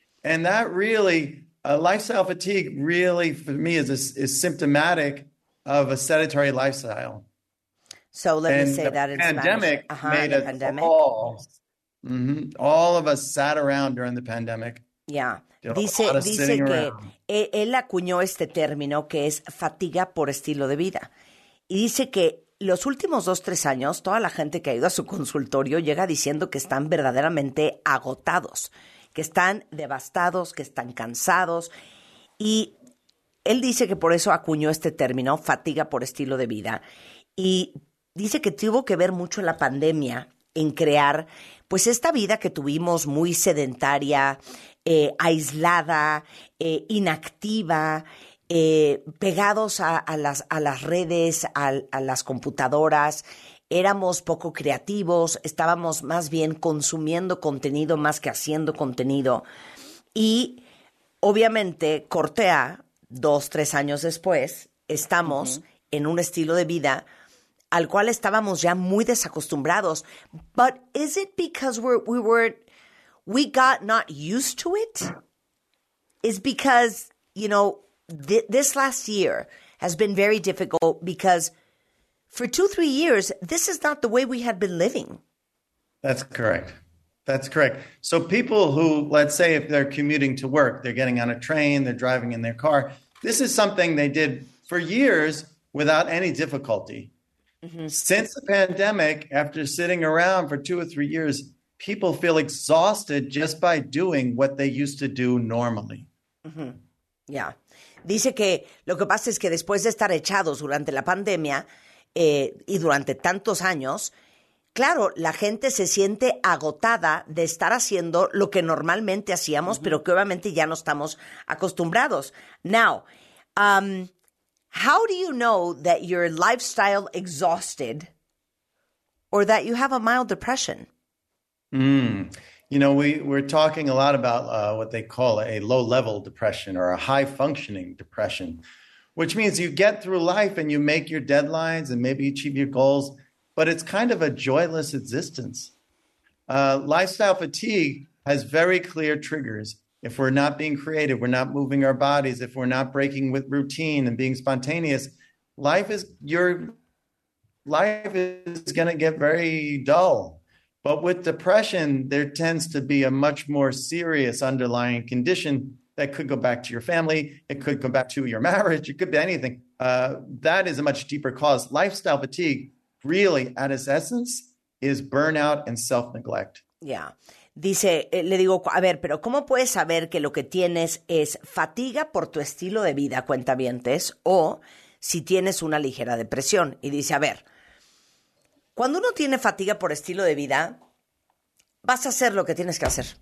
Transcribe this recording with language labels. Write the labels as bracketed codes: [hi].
[en] And that really, lifestyle fatigue really for me is symptomatic of a sedentary lifestyle. So let me say that in Spanish. Pandemic made us all. All of us sat around during the pandemic. Yeah. [es] Dice que él acuñó este término que es fatiga por estilo de vida. Y dice que los últimos 2-3 años, toda la gente que ha ido a su consultorio llega diciendo que están verdaderamente agotados, que están devastados, que están cansados. Y él dice que por eso acuñó este término, fatiga por estilo de vida. Y dice que tuvo que ver mucho la pandemia en crear, pues, esta vida que tuvimos muy sedentaria, aislada, inactiva, pegados a las redes, a las computadoras. Éramos poco creativos, estábamos más bien consumiendo contenido más que haciendo contenido. Y obviamente, cortea, 2-3 años después, estamos en un estilo de vida al cual estábamos ya muy desacostumbrados. [en] But is it because we got not used to it? Is because, you know, this last year has been very difficult because for 2-3 years, this is not the way we had been living. That's correct. That's correct. So people who, let's say if they're commuting to work, they're getting on a train, they're driving in their car. This is something they did for years without any difficulty. Mm-hmm. Since the pandemic, after sitting around for 2 or 3 years, people feel exhausted just by doing what they used to do normally. Mm-hmm. Yeah. [es] Dice que lo que pasa es que después de estar echados durante la pandemia y durante tantos años, claro, la gente se siente agotada de estar haciendo lo que normalmente hacíamos, mm-hmm. pero que obviamente ya no estamos acostumbrados. [en] Now, how do you know that your lifestyle exhausted or that you have a mild depression? Mm. You know, we're talking a lot about what they call a low-level depression or a high-functioning depression, which means you get through life and you make your deadlines and maybe achieve your goals, but it's kind of a joyless existence. Lifestyle fatigue has very clear triggers. If we're not being creative, we're not moving our bodies, if we're not breaking with routine and being spontaneous, life is going to get very dull. But with depression, there tends to be a much more serious underlying condition that could go back to your family. It could go back to your marriage. It could be anything. That is a much deeper cause. Lifestyle fatigue, really, at its essence, is burnout and self-neglect. Yeah. [es] Dice, le digo, a ver, pero ¿cómo puedes saber que lo que tienes es fatiga por tu estilo de vida, cuentavientes, o si tienes una ligera depresión? Y dice, a ver, cuando uno tiene fatiga por estilo de vida, vas a hacer lo que tienes que hacer.